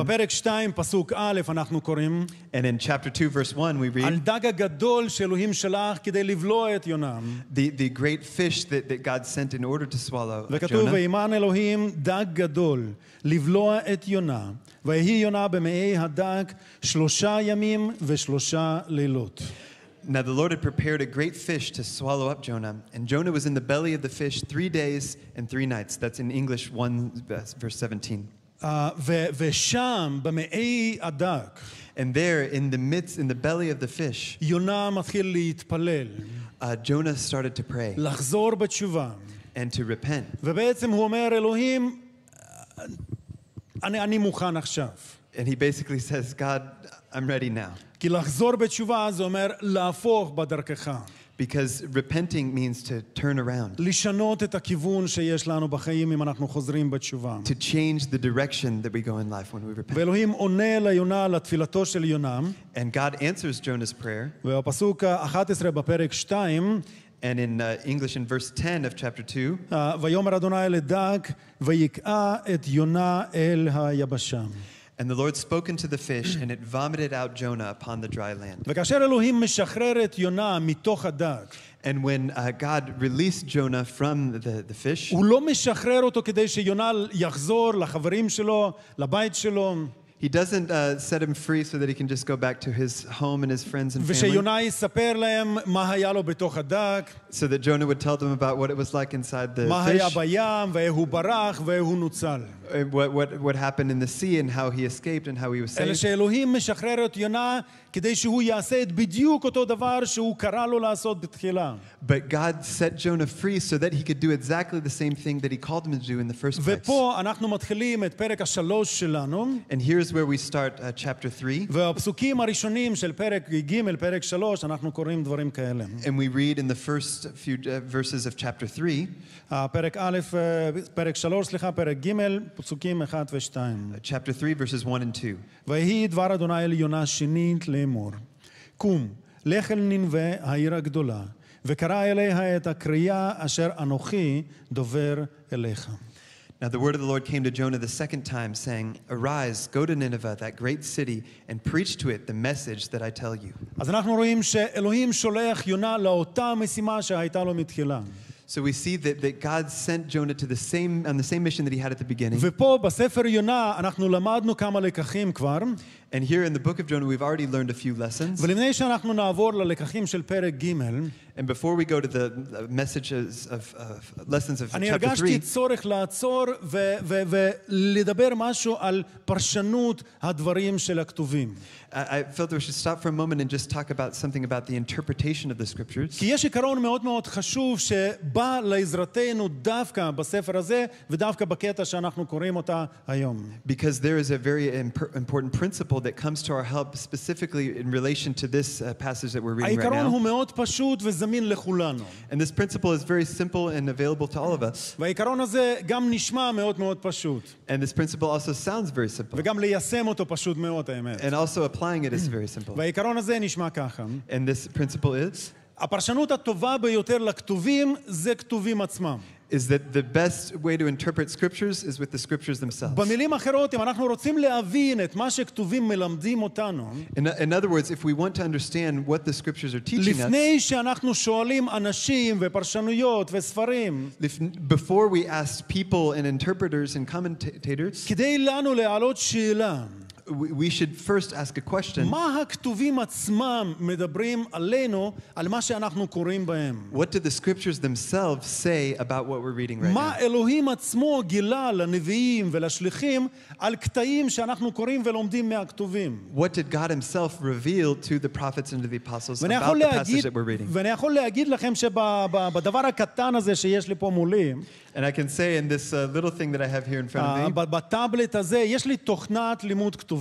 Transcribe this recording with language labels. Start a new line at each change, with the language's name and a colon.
Hebrew: ובפרק 2, פסוק א', אנחנו קוראים,
English: And in chapter 2, verse 1, we read,
Hebrew: על דג הגדול שאלוהים שלח כדי לבלוע את יונה.
English: The great fish that God sent in order to swallow Jonah.
Hebrew: ועימן אלוהים דג גדול לבלוע את יונה והיא יונה במאי הדג שלושה ימים ושלושה לילות.
English: Now the Lord had prepared a great fish to swallow up Jonah, and Jonah was in the belly of the fish 3 days and 3 nights. That's in English 1 verse 17.
Hebrew: ושם במאי הדג,
English: and there in the midst, in the belly of the fish,
Hebrew: יונה מתחיל להתפלל.
English: Jonah started to pray,
Hebrew: לחזור בתשובה,
English: and to repent.
Hebrew: ובעצם הוא אומר, אלוהים, אני מוכן עכשיו.
English: And he basically says, God, I'm ready now.
Hebrew: כי לחזור בתשובה זה אומר להפוך בדרכך.
English: Because repenting means to turn around.
Hebrew: לשנות את הכיוון שיש לנו בחיים אם אנחנו חוזרים בתשובה.
English: To change the direction that we go in life when we repent.
Hebrew: ואלוהים עונה ליונה, לתפילתו של יונה.
English: And God answers Jonah's prayer.
Hebrew: והפסוק 11 בפרק 2,
English: and in English in verse 10 of chapter 2,
Hebrew: ויאמר אדוני אל הדג ויקעה את יונה אל היבשה.
English: And the Lord spoke unto the fish and it vomited out Jonah upon the dry land.
Hebrew: וכאשר אלוהים משחרר את יונה מתוך הדג,
English: and when God released Jonah from the fish,
Hebrew: הוא לא משחרר אותו כדי שיונה יחזור לחברים שלו, לבית שלו.
English: He doesn't set him free so that he can just go back to his home and his friends and family.
Hebrew: ושיונה יספר להם מה היה לו בתוך הדג.
English: So that Jonah would tell them about what it was like inside the
Hebrew: מה
English: fish.
Hebrew: מה היה בים, והוא ברח, והוא נוצל.
English: What happened in the sea and how he escaped and how he was saved.
Hebrew: אלא שאלוהים משחרר את יונה כדי שהוא יעשה את בדיוק אותו דבר שהוא קרא לו לעשות בתחילה.
English: But God set Jonah free so that he could do exactly the same thing that he called him to do in the first place.
Hebrew: ופה אנחנו מתחילים את פרק השלוש שלנו.
English: And here's where we start chapter 3.
Hebrew: והפסוקים הראשונים של פרק ג', פרק שלוש, אנחנו קוראים דברים כאלה.
English: And we read in the first few verses of chapter 3.
Hebrew: פרק א', פרק שלוש, סליחה, פרק ג', פסוקים 1 ו-2.
English: Chapter 3, verses 1 and 2.
Hebrew: ויהי דבר אדוני אל יונה שנית לאמור, קום, לך אל נינווה, העיר הגדולה, וקרא אליה את הקריאה אשר אנוכי דובר אליך.
English: Now the word of the Lord came to Jonah the second time, saying, Arise, go to Nineveh, that great city, and preach to it the message that I tell you.
Hebrew: אז אנחנו רואים שאלוהים שולח יונה לאותה משימה שהייתה לו מתחילה.
English: So we see that God sent Jonah to the same mission that he had at the beginning.
Hebrew: ופה בספר יונה אנחנו למדנו כמה לקחים כבר.
English: And here in the book of Jonah we've already learned a few lessons.
Hebrew: ולפני שאנחנו נעבור ללקחים של פרק ג',
English: and before we go to the messages of lessons of chapter 3,
Hebrew: אני הרגשתי צורך לעצור ולדבר משהו על פרשנות הדברים של הכתובים.
English: I felt that we should stop for a moment and just talk about something about the interpretation of the scriptures.
Hebrew: כי יש עיקרון מאוד מאוד חשוב שבא לעזרתנו דווקא בספר הזה ודווקא בקטע שאנחנו קוראים אותה היום.
English: Because there is a very important principle that comes to our help specifically in relation to this passage that we're reading right now.
Hebrew: העיקרון הוא מאוד פשוט וזמין לכולנו.
English: And this principle is very simple and available to all of us.
Hebrew: והעיקרון הזה גם נשמע מאוד מאוד פשוט.
English: And this principle also sounds very simple.
Hebrew: וגם ליישם אותו פשוט מאוד, האמת.
English: And also applying it is very simple.
Hebrew: והעיקרון הזה נשמע ככה.
English: And this principle is?
Hebrew: הפרשנות הטובה ביותר לכתובים זה כתובים עצמם.
English: Is that the best way to interpret scriptures is with the scriptures themselves.
Hebrew: במילים אחרות, אם אנחנו רוצים להבין את מה שכתובים מלמדים אותנו,
English: in other words, if we want to understand what the scriptures are teaching us,
Hebrew: לפני שאנחנו שואלים אנשים ופרשנויות וספרים,
English: before we ask people and interpreters and commentators,
Hebrew: כדי לנו להעלות שאלה,
English: we should first ask a question.
Hebrew: מה הכתובים עצמם מדברים עלינו, על מה שאנחנו קוראים בהם?
English: What do the scriptures themselves say about what we're reading right
Hebrew: מה
English: now?
Hebrew: מה אלוהים עצמו גילה לנביאים ולשליחים על קטעים שאנחנו קוראים ולומדים מהכתובים?
English: What did God himself reveal to the prophets and to the apostles about the passage that we're reading?
Hebrew: ואני יכול להגיד לכם שבדבר הקטן הזה שיש לי פה מולי,
English: and I can say in this little thing that I have here in front of me,
Hebrew: בטאבלט הזה יש לי תוכנת לימוד כתובים.